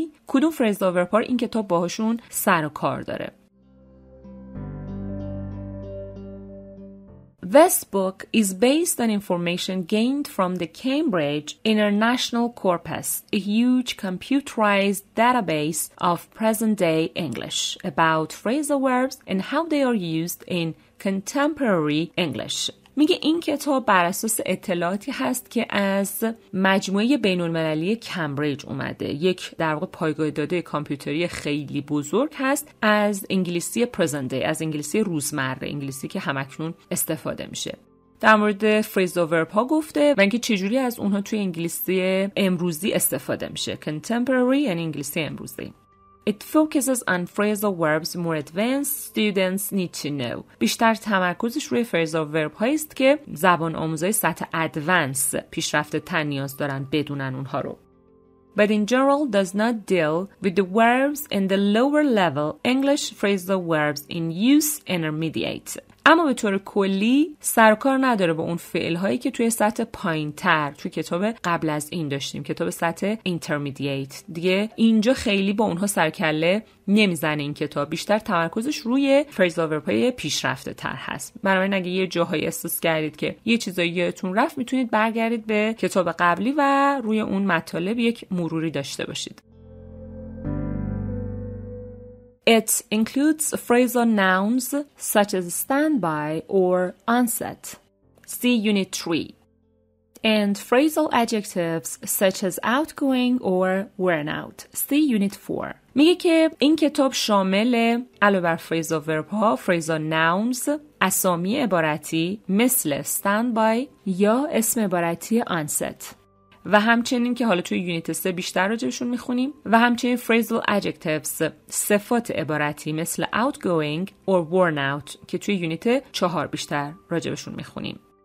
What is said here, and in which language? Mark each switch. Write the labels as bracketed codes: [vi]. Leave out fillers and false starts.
[fa] کدوم phrase of verb این کتاب باهاشون سر و کار داره؟ [en] This book is based on information gained from the Cambridge International Corpus, a huge computerized database of present-day English, about phrasal verbs and how they are used in contemporary English. [fa] میگه این کتاب بر اساس اطلاعاتی هست که از مجموعه بین‌المللی کمبریج اومده، یک در واقع پایگاه داده کامپیوتری خیلی بزرگ هست، از انگلیسی پرزنده، از انگلیسی روزمره، انگلیسی که همکنون استفاده میشه. در مورد فریز و ورب ها گفته و اینکه چجوری از اونها توی انگلیسی امروزی استفاده میشه. contemporary یعنی انگلیسی امروزی. [en] It focuses on phrasal verbs more advanced students need to know. [fa] بیشتر تمرکزش روی phrasal verb هایی است که زبان آموزای سطح advanced پیشرفته تر نیاز دارن بدونن اونها رو. [en] But in general does not deal with the verbs in the lower level English phrasal verbs in use intermediate. [fa] اما به طور کلی سرکار نداره با اون فعل هایی که توی سطح پایین تر توی کتاب قبل از این داشتیم، کتاب سطح intermediate. دیگه اینجا خیلی با اونها سرکله نمیزنه این کتاب، بیشتر تمرکزش روی phrasal verb های پیشرفته تر هست. بنابراین اگه یه جاهایی احساس کردید که یه چیزاییتون رفت، میتونید برگردید به کتاب قبلی و روی اون مطالب یک مروری داشته باشید. [en] It includes phrasal nouns such as standby or onset. See unit 3. And phrasal adjectives such as outgoing or worn out. See unit 4. [fa] میگه که این کتاب شامل علاوه بر phrasal verb ها، phrasal nouns، اسامی عبارتی مثل standby یا اسم عبارتی onset، و همچنین که حالا توی یونیت 3 بیشتر راجبشون میخونیم، و همچنین phrasal adjectives، صفات عبارتی مثل outgoing or worn out که توی یونیت 4 بیشتر راجبشون میخونیم.